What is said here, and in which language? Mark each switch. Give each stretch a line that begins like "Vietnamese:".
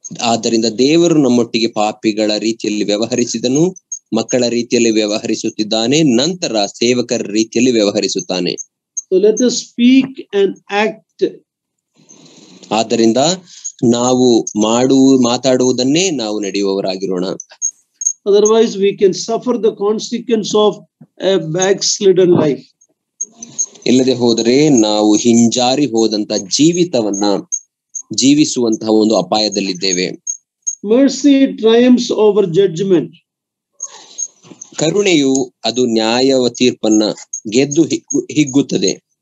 Kannada: ಆದ್ದರಿಂದ ದೇವರು ನಮ್ಮೊಟ್ಟಿಗೆ ಪಾಪಿಗಳ ರೀತಿಯಲ್ಲಿ ವ್ಯವಹರಿಸಿದನು, ಮಕ್ಕಳ ರೀತಿಯಲ್ಲಿ ವ್ಯವಹರಿಸುತ್ತಿದ್ದಾನೆ, ನಂತರ ಸೇವಕರ ರೀತಿಯಲ್ಲಿ ವ್ಯವಹರಿಸುತ್ತಾನೆ.
English: So let us speak and act.
Kannada: ಆದ್ದರಿಂದ ನಾವು ಮಾತಾಡುವುದನ್ನೇ ನಾವು ನಡೆಯುವವರಾಗಿರೋಣ.
English: Otherwise we can suffer the consequence of a backslidden life.
Kannada: ಇಲ್ಲದೆ ಹೋದರೆ ನಾವು ಹಿಂಜಾರಿ ಹೋದಂತ ಜೀವಿತವನ್ನ ಜೀವಿಸುವಂತಹ ಒಂದು ಅಪಾಯದಲ್ಲಿದ್ದೇವೆ.
English: Mercy triumphs over judgment.
Kannada: ಕರುಣೆಯು ಅದು ನ್ಯಾಯ ತೀರ್ಪನ್ನ ಗೆದ್ದು ಹಿಗ್ಗುತ್ತದೆ.